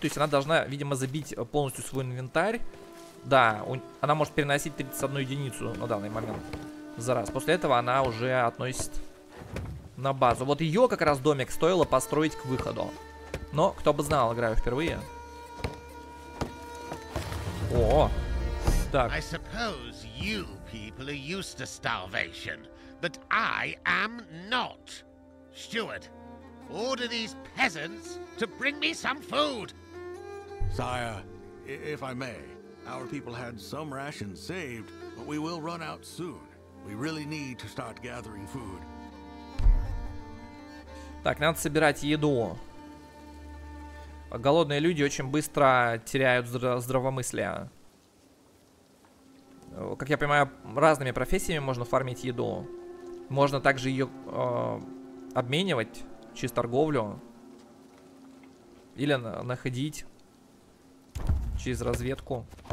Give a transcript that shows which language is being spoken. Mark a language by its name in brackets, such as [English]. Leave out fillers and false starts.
[Russian] То есть она должна, видимо, забить полностью свой инвентарь. Да, она может переносить 31 единицу на данный момент за раз. После этого она уже относит на базу. Вот ее как раз домик стоило построить к выходу. Но, кто бы знал, играю впервые. О, так. [English] I suppose you people are used to starvation, but I am not. Steward, order these peasants to bring me some food. Sire, if I may, our people had some rations saved, but we will run out soon. We really need to start gathering food. [Russian] Так, надо собирать еду. Голодные люди очень быстро теряют здравомыслие. Как я понимаю, разными профессиями можно фармить еду. Можно также ее... обменивать через торговлю или находить через разведку.